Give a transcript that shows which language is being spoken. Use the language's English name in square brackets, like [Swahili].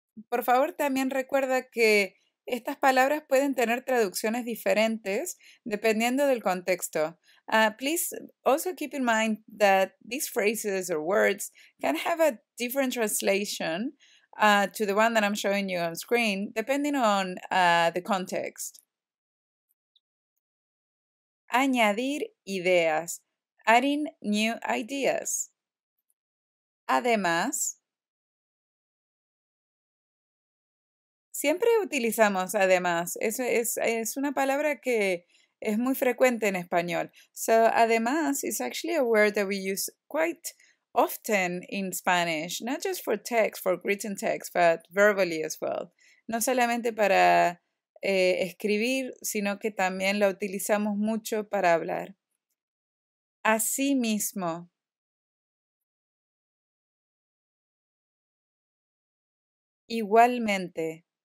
[Spanish] Por favor, también recuerda que estas palabras pueden tener traducciones diferentes dependiendo del contexto. [English] Please also keep in mind that these phrases or words can have a different translation to the one that I'm showing you on screen, depending on the context. [Spanish] Añadir ideas. [English] Adding new ideas. Además. [Spanish] Siempre utilizamos además. Es una palabra que es muy frecuente en español. [English] So, además, is actually a word that we use quite often in Spanish, not just for text, for written text, but verbally as well. [Spanish] No solamente para escribir, sino que también lo utilizamos mucho para hablar. Así mismo. Igualmente.